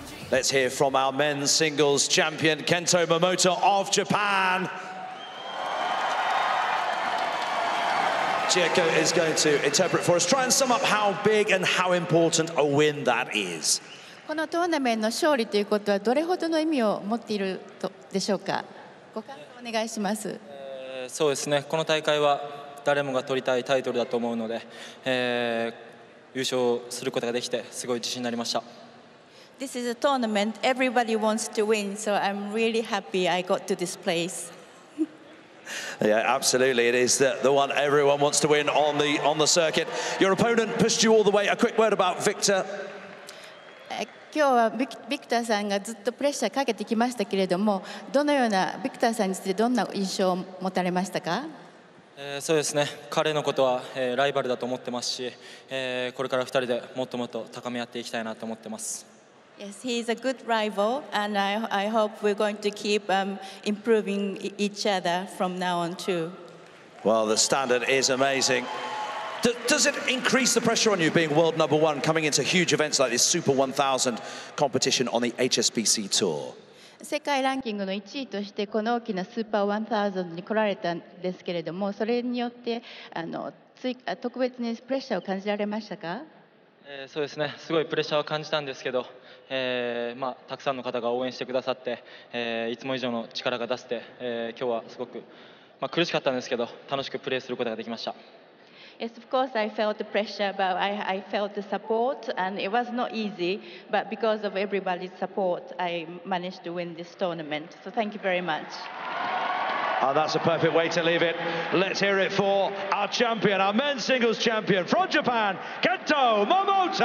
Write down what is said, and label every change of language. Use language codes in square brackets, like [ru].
[en] Let's hear from our men's singles champion, Kento Momota of Japan. Chieko is going to interpret for us. Try and sum up how big and how important a win that is. [ja] このトーナメント勝利ということはどれほどの意味を持っているでしょうか。ご感想お願いします。そうですね。この大会は誰もが取りたいタイトルだと思うので、優勝することができてすごい自信になりました。 [en] This is a tournament everybody wants to win, so I'm really happy I got to this place. Yeah, absolutely. It is the one everyone wants to win on the circuit. Your opponent pushed you all the way. A quick word about Victor. [ja] 今日はビクターさんがずっとプレッシャーかけてきましたけれども、どのようなビクターさんについてどんな印象を持たれましたか? そうですね。彼のことは、ライバルだと思ってますし、これから2人でもっともっと高め合っていきたいなと思ってます。 [en] Yes, he's a good rival, and I hope we're going to keep improving each other from now on too. Well, the standard is amazing. Does it increase the pressure on you being world number one, coming into huge events like this Super 1000 competition on the HSBC Tour? [ja] 世界ランキングの1位としてこの大きなスーパー1000に来られたんですけれども、それによって特別にプレッシャーを感じられましたか？そうですね、すごいプレッシャーを感じたんですけど、たくさんの方が応援してくださって、いつも以上の力が出せて、今日はすごく、苦しかったんですけど楽しくプレーすることができました。 [en] Yes, of course, I felt the pressure, but I felt the support, and it was not easy. But because of everybody's support, I managed to win this tournament. So thank you very much. Oh, that's a perfect way to leave it. Let's hear it for our champion, our men's singles champion from Japan, Kento Momota.